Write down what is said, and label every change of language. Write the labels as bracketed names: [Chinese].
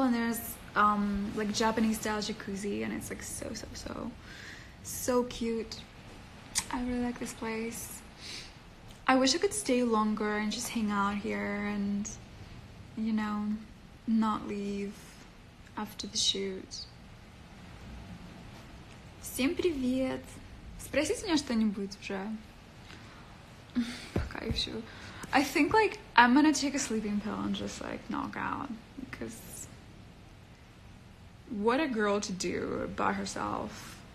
[English] And there's, like, Japanese-style jacuzzi. And it's, like, so, so, so, so cute. I really like this place. I wish I could stay longer and just hang out here and, you know, not leave after the shoot. [Russian] Всем привет! Спросите меня что-нибудь уже. Пока еще. [English] I think, like, I'm gonna take a sleeping pill and just, like, knock out. Because what a girl to do by herself.